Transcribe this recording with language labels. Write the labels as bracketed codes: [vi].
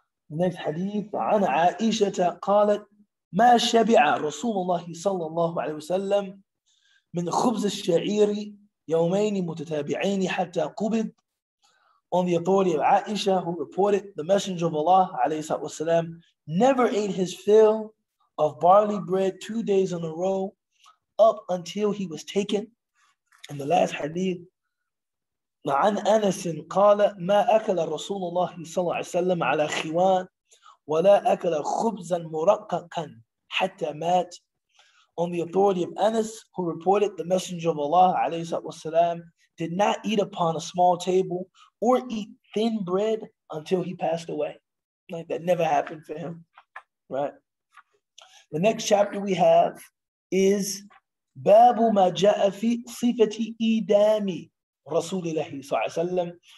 [en] Next hadith, [ar] عن عائشة قالت ما شبع رسول الله صلى الله عليه وسلم من خبز الشعير يومين متتابعين حتى قبض. [en] On the authority of Aisha, who reported, the Messenger of Allah [ar] عليه السلام [en] never ate his fill of barley bread 2 days in a row up until he was taken. In the last hadith, [ar] عن أنس قال ما أكل رسول الله صلى الله عليه وسلم على خوان ولا أكل خبزا مرققا حتى مات. [en] On the authority of Anas, who reported, the Messenger of Allah [ar] عليه الصلاة والسلام [en] did not eat upon a small table or eat thin bread until he passed away. Like that never happened for him, right? The next chapter we have is Babu ma ja'a fi sifati idami Rasulillahi sallallahu alayhi wa sallam.